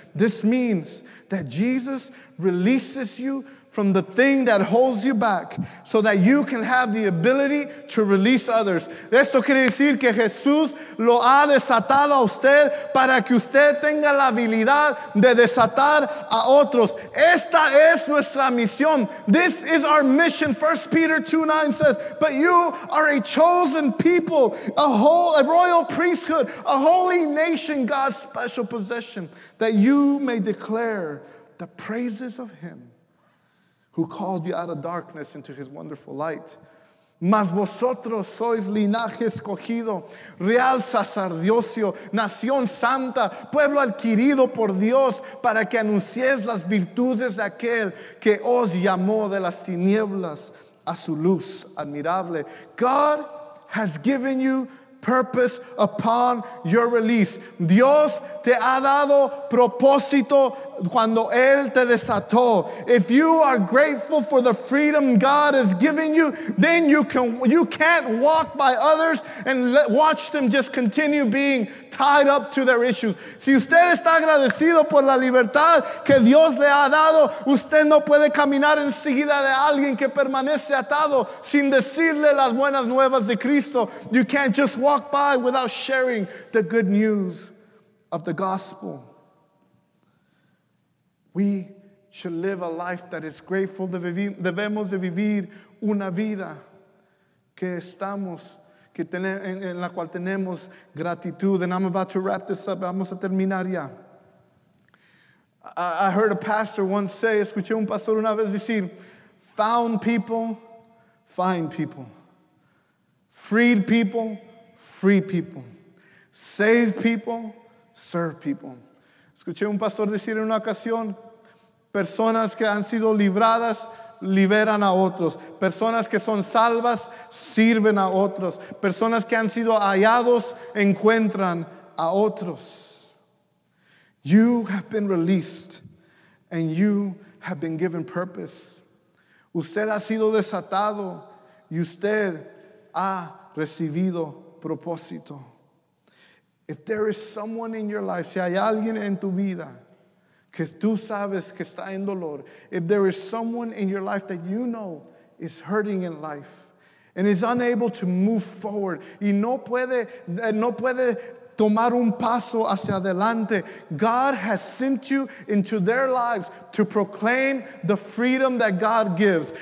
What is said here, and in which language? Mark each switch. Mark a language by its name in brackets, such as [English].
[English] This means that Jesus releases you from the thing that holds you back so that you can have the ability to release others. [Spanish] Esto quiere decir que Jesús lo ha desatado a usted para que usted tenga la habilidad de desatar a otros. Esta es nuestra misión. [English] This is our mission. 1 Peter 2:9 says, but you are a chosen people, a royal priesthood, a holy nation, God's special possession, that you may declare the praises of Him who called you out of darkness into His wonderful light. [Spanish] Mas vosotros sois linaje escogido, real sacerdocio, nación santa, pueblo adquirido por Dios, para que anunciéis las virtudes de aquel que os llamó de las tinieblas a su luz admirable. [English] God has given you purpose upon your release. [Spanish] Dios te ha dado propósito cuando Él te desató. [English] If you are grateful for the freedom God has given you, then you can't walk by others and watch them just continue being tied up to their issues. [Spanish] Si usted está agradecido por la libertad que Dios le ha dado, usted no puede caminar enseguida de alguien que permanece atado sin decirle las buenas nuevas de Cristo. [English] You can't just walk by without sharing the good news of the gospel. We should live a life that is grateful. [Spanish] Debemos de vivir una vida que estamos en la cual tenemos gratitud. [English] And I'm about to wrap this up. [Spanish] Vamos a terminar ya. [English] I heard a pastor once say, [Spanish] escuché un pastor una vez decir, [English] found people, find people. Freed people, free people. Saved people, serve people. [Spanish] Escuché un pastor decir en una ocasión, personas que han sido libradas, liberan a otros. Personas que son salvas, sirven a otros. Personas que han sido hallados, encuentran a otros. [English] You have been released and you have been given purpose. [Spanish] Usted ha sido desatado y usted ha recibido propósito. [English] If there is someone in your life, [Spanish] si hay alguien en tu vida que tú sabes que está en dolor, [English] if there is someone in your life that you know is hurting in life and is unable to move forward [Spanish] y no puede tomar un paso hacia adelante, [English] God has sent you into their lives to proclaim the freedom that God gives.